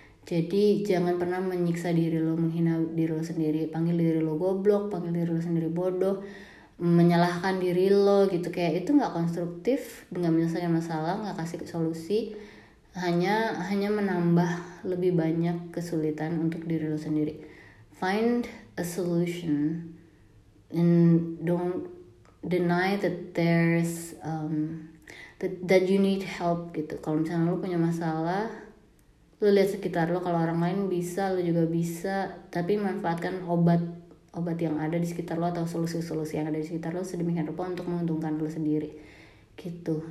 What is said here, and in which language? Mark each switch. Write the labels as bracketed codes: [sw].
[id] Jadi jangan pernah menyiksa diri lo, menghina diri lo sendiri, panggil diri lo goblok, panggil diri lo sendiri bodoh, menyalahkan diri lo gitu, kayak itu nggak konstruktif, nggak menyelesaikan masalah, nggak kasih solusi, hanya menambah lebih banyak kesulitan untuk diri lo sendiri. [en] Find a solution and don't deny that there's that you need help gitu. [id] Kalau misalnya lo punya masalah, lo lihat sekitar lo, kalau orang lain bisa, lo juga bisa, tapi manfaatkan obat-obat yang ada di sekitar lo atau solusi-solusi yang ada di sekitar lo sedemikian rupa untuk menguntungkan lo sendiri gitu.